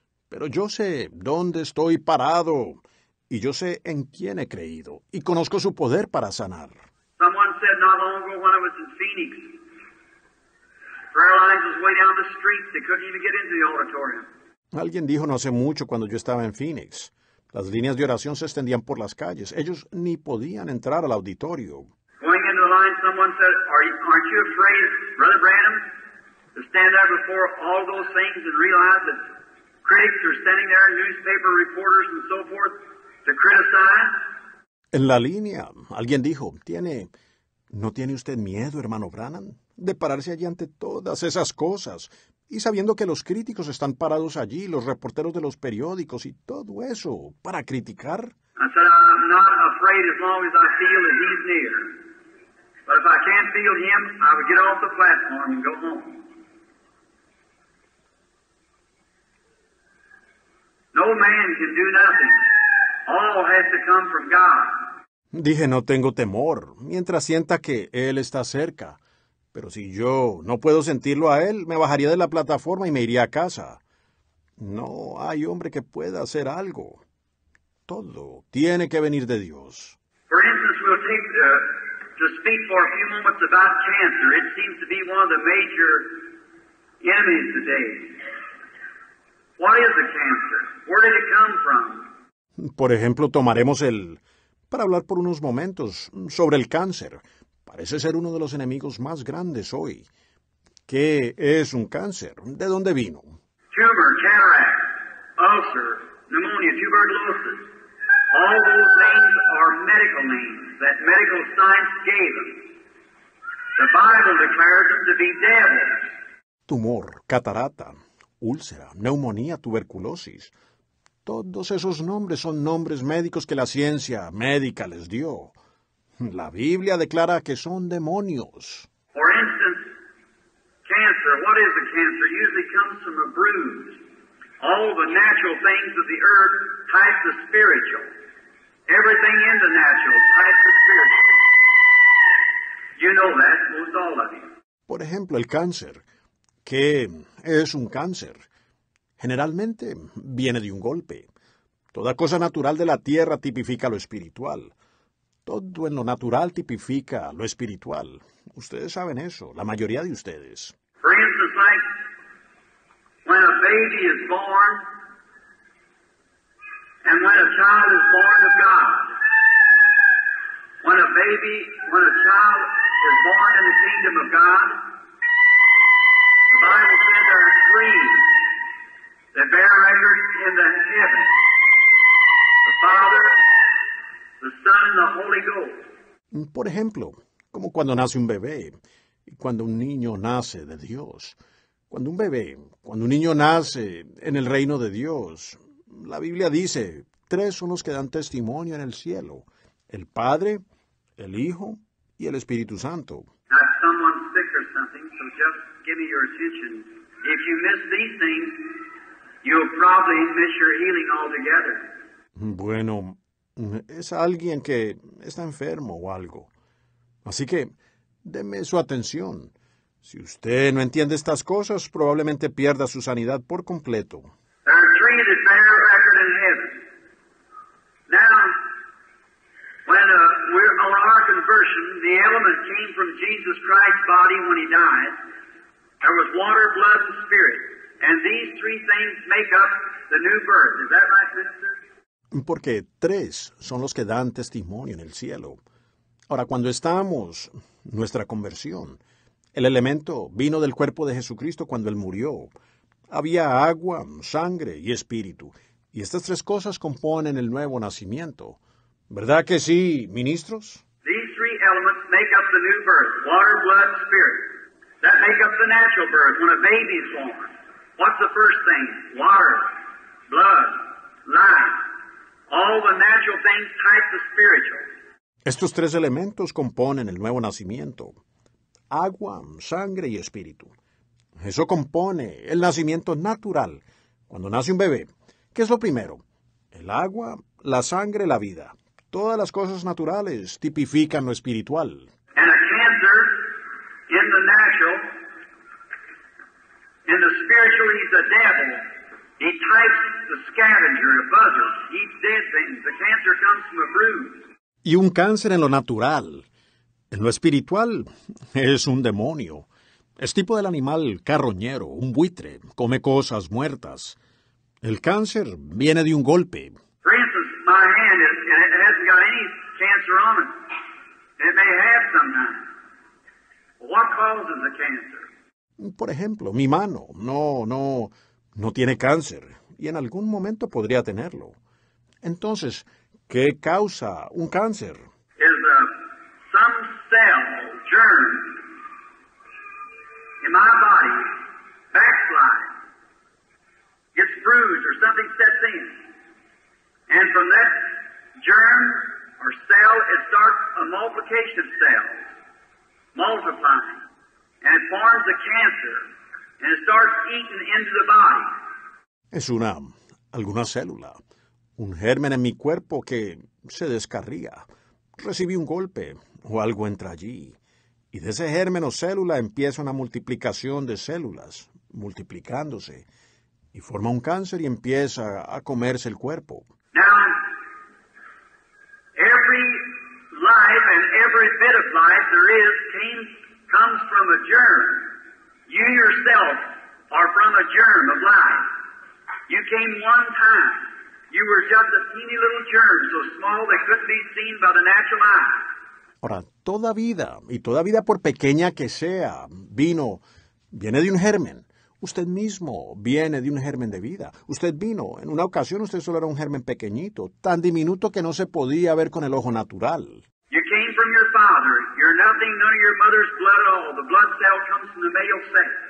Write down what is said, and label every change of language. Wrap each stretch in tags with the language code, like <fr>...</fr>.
<es>Pero yo sé dónde estoy parado, y yo sé en quién he creído, y conozco su poder para sanar.</es> <en>Someone said not long ago when I was in Phoenix, prayer lines was way down the street, they couldn't even get into the auditorium.</en> <es>Alguien dijo no hace mucho cuando yo estaba en Phoenix, las líneas de oración se extendían por las calles, ellos ni podían entrar al auditorio.</es> <en>Going into the line, someone said, aren't you afraid, Brother Branham, to stand there before all those things and realize that critics are standing there, newspaper reporters and so forth, to criticize?</en> <es>En la línea, alguien dijo, ¿no tiene usted miedo, hermano Branham, de pararse allí ante todas esas cosas? Y sabiendo que los críticos están parados allí, los reporteros de los periódicos y todo eso, ¿para criticar?</es> <en>I said, I'm not afraid as long as I feel that he's near. But if I can't feel him, I would get off the platform and go home. No man can do nothing. All has to come from God.</en> <es>Dije, no tengo temor, mientras sienta que Él está cerca. Pero si yo no puedo sentirlo a Él, me bajaría de la plataforma y me iría a casa. No hay hombre que pueda hacer algo. Todo tiene que venir de Dios.</es> <en>For instance, we'll take to speak for a few moments about cancer. It seems to be one of the major enemies today. What is a cancer? Where did it come from?</en> <es>Por ejemplo, tomaremos el... para hablar por unos momentos sobre el cáncer. Parece ser uno de los enemigos más grandes hoy. ¿Qué es un cáncer? ¿De dónde vino?</es> <en>Tumor, cataract, ulcer, pneumonia, tuberculosis. All those names are medical names that medical science gave them. The Bible declares them to be devils.</en> <es>Tumor, catarata, úlcera, neumonía, tuberculosis. Todos esos nombres son nombres médicos que la ciencia médica les dio. La Biblia declara que son demonios.</es> <en>For instance, cancer. What is a cancer? Usually comes from a bruise. All the natural things of the earth type the spiritual. Everything in the natural type the spiritual. You know that, most all of you.</en> <es>Por ejemplo, el cáncer. ¿Qué es un cáncer? Generalmente, viene de un golpe. Toda cosa natural de la tierra tipifica lo espiritual. Todo en lo natural tipifica lo espiritual. Ustedes saben eso, la mayoría de ustedes.</es> <en>For instance, like when a baby is born, and when a child is born of God, when a child is born in the kingdom of God, the Bible says there are three. The bear record in the heaven, the Father, the Son, and the Holy Ghost.</en> <es>Por ejemplo, como cuando nace un bebé, y cuando un niño nace de Dios. Cuando un niño nace en el reino de Dios, la Biblia dice, tres son los que dan testimonio en el cielo, el Padre, el Hijo, y el Espíritu Santo.</es> <en>Not someone sick or something, so just give me your attention. If you miss these things, you'll probably miss your healing altogether.</en> <es>Bueno, es alguien que está enfermo o algo. Así que, deme su atención. Si usted no entiende estas cosas, probablemente pierda su sanidad por completo.</es> <en>There are tree that bear record in heaven. Now, when we're on our conversion, the element came from Jesus Christ's body when he died. There was water, blood, and spirit. And these three things make up the new birth. Is that right, sister?</en> <es>Porque tres son los que dan testimonio en el cielo. Ahora, cuando estamos, nuestra conversión, el elemento vino del cuerpo de Jesucristo cuando Él murió. Había agua, sangre y espíritu. Y estas tres cosas componen el nuevo nacimiento. ¿Verdad que sí, ministros?</es> <en>These three elements make up the new birth. Water, blood, spirit. That make up the natural birth. When a baby is born, what's the first thing? Water, blood, life. All the natural things type the spiritual.</en> <es>Estos tres elementos componen el nuevo nacimiento. Agua, sangre y espíritu. Eso compone el nacimiento natural. Cuando nace un bebé, ¿qué es lo primero? El agua, la sangre, la vida. Todas las cosas naturales tipifican lo espiritual.</es> <en>And a cancer in the natural, in the spiritual, he's a devil. He types the scavenger, a buzzard. He's dead things. The cancer comes from a bruise.</en> <es>Y un cáncer en lo natural, en lo espiritual, es un demonio. Es tipo del animal carroñero, un buitre, come cosas muertas. El cáncer viene de un golpe.</es> <en>For instance, my hand is, it hasn't got any cancer on it. It may have sometimes. What causes the cancer?</en> <es>Por ejemplo, mi mano no tiene cáncer. Y en algún momento podría tenerlo. Entonces, ¿qué causa un cáncer?</es> <en>Is a some cell germ in my body backslide, gets bruised or something sets in, and from that germ or cell it starts a multiplication of cells, multiplying, and it forms a cancer and it starts eating into the body.</en> <es>Es una alguna célula. Un germen en mi cuerpo que se descarría. Recibí un golpe o algo entra allí. Y de ese germen o célula empieza una multiplicación de células, multiplicándose. Y forma un cáncer y empieza a comerse el cuerpo.</es> <en>Now, every life and every bit of life there is comes from a germ. You yourself are from a germ of life. You came one time. You were just a teeny little germ, so small they couldn't be seen by the natural eye.</en> <es>Ahora, toda vida, y toda vida por pequeña que sea, viene de un germen. Usted mismo viene de un germen de vida. Usted vino, en una ocasión usted solo era un germen pequeñito, tan diminuto que no se podía ver con el ojo natural.</es> <en>You came from your father. You're nothing, none of your mother's blood at all. The blood cell comes from the male sex.</en>